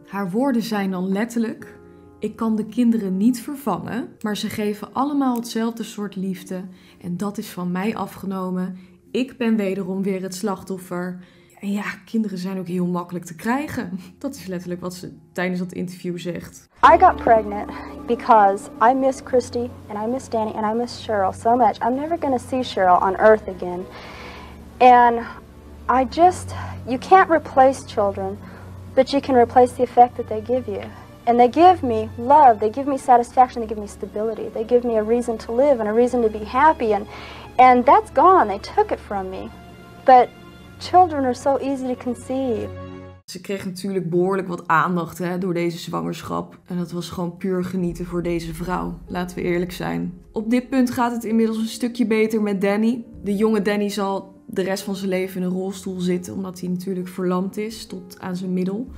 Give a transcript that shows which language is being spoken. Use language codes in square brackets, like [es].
[nl] Haar woorden zijn dan letterlijk: ik kan de kinderen niet vervangen, maar ze geven allemaal hetzelfde soort liefde. En dat is van mij afgenomen. Ik ben wederom weer het slachtoffer. En ja, kinderen zijn ook heel makkelijk te krijgen. Dat is letterlijk wat ze tijdens dat interview zegt. [en] I got pregnant because I miss Christy and I miss Danny and I miss Cheryl so much. I'm never gonna see Cheryl on earth again. And I just, you can't replace children, but you can replace the effect that they give you. And they give me love, they give me satisfaction, they give me stability. They give me a reason to live and a reason to be happy. And that's gone, they took it from me. But children are so easy to conceive. [nl] Ze kreeg natuurlijk behoorlijk wat aandacht, hè, door deze zwangerschap. En dat was gewoon puur genieten voor deze vrouw, laten we eerlijk zijn. Op dit punt gaat het inmiddels een stukje beter met Danny. De jonge Danny zal de rest van zijn leven in een rolstoel zitten, omdat hij natuurlijk verlamd is tot aan zijn middel.